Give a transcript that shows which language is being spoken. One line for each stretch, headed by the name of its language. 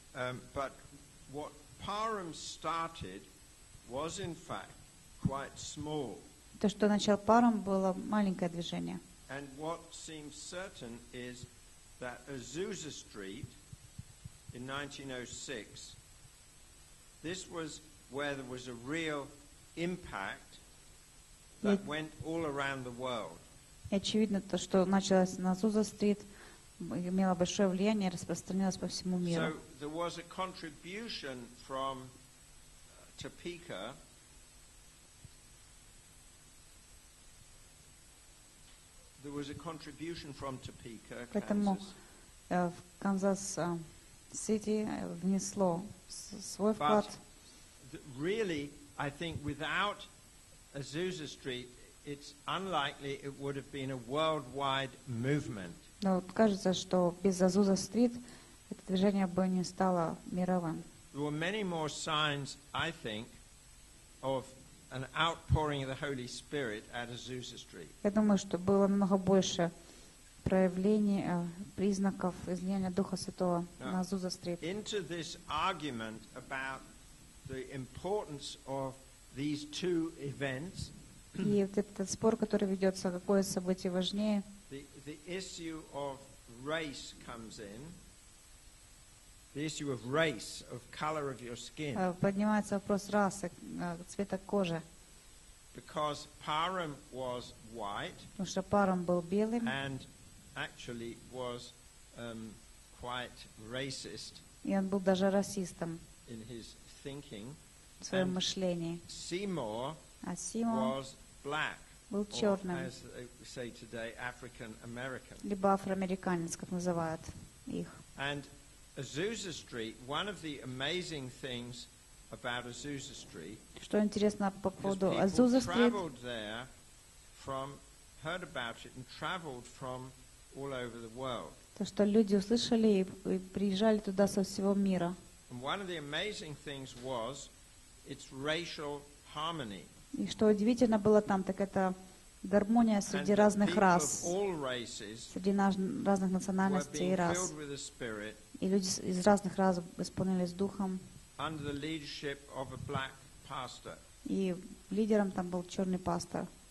English: But what Parham started was in fact quite small.
Russian: То, что начал Парам, было маленькое движение.
English: And what seems certain is that Azusa Street in 1906. This was where there was a real impact. That went all around the world.
Russian: Очевидно, то, что началось на Азуза Стрит, имело большое влияние, распространилось по всему миру.
English: So there was a contribution from Topeka
Russian: Поэтому в Канзас Сити внесло свой вклад.
English: Really, I think without Azusa Street, it's unlikely it would have been a worldwide movement.
Russian: Но кажется, что без Azusa Street это движение бы не стало мировым.
English: There were many more signs, I think, of an outpouring of the Holy Spirit at Azusa Street.
Russian: Я думаю, что было намного больше проявлений, признаков излияния Духа Святого на Azusa Street.
English: Into this argument about the importance of these two events.
Russian: И вот этот спор, который ведется, какое событие важнее?
English: The issue of race comes in. The issue of race, of color of your skin.
Russian: Поднимается вопрос расы, цвета кожи.
English: Because Parham was white.
Russian: Потому что Парам был белым.
English: And actually was quite racist.
Russian: И он был даже расистом.
English: In his thinking,
Russian: своем мышлении.
English: Seymour was black,
Russian: был черным,
English: or as they say today, African American.
Russian: Либо афроамериканец, как называют их.
English: And Azusa Street, one of the amazing things about Azusa Street,
Russian: что интересно по поводу Azusa Street,
English: traveled there from, heard about it and traveled from all over the world.
Russian: То, что люди услышали и приезжали туда со всего мира.
English: And one of the amazing things was its racial harmony.
Russian: И что удивительно было там, так это гармония среди разных рас, среди разных национальностей и рас. И люди из разных рас исполнились духом.
English: Under the leadership of a black pastor.
Russian: И лидером там был черный пастор.